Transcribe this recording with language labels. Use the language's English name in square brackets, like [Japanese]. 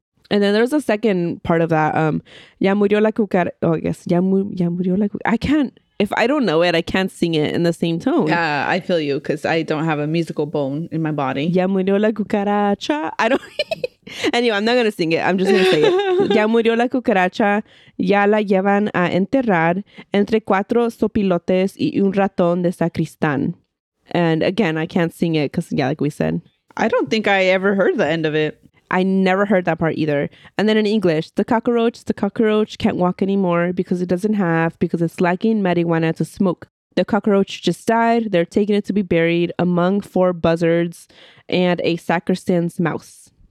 [English] And then there's a second part of that. [Spanish] Ya murió la cucaracha. [English] Oh, yes. [Spanish] Ya murió la cucaracha. [English] If I don't know it, I can't sing it in the same tone. Yeah, I feel you because I don't have a musical bone in my body. [Spanish] Ya murió la cucaracha. [English] I don't. Anyway, I'm not going to sing it. I'm just going to say it. [Spanish] Ya murió la cucaracha. Ya la llevan a enterrar entre cuatro sopilotes y un ratón de sacristán. [English] And again, I can't sing it because, yeah, like we said. I don't think I ever heard the end of it. I never heard that part either. And then in English, the cockroach can't walk anymore because it doesn't have, because it's lacking marijuana to smoke. The cockroach just died. They're taking it to be buried among four buzzards and a sacristan's mouse.